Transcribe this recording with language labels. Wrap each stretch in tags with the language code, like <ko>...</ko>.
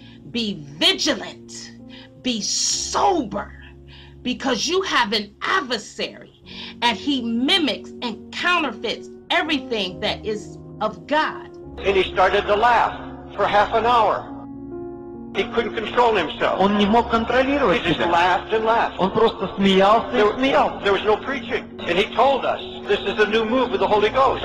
<en>Be vigilant, be sober, because you have an adversary and he mimics and counterfeits everything that is of God. And he started to laugh for half an hour. He couldn't control himself.</en> <ru>Он не мог контролировать себя.</ru> <en>He just laughed and laughed.</en> <ru>Он просто смеялся и смеялся.</ru> <en>There was no preaching. And he told us, this is a new move of the Holy Ghost.</en>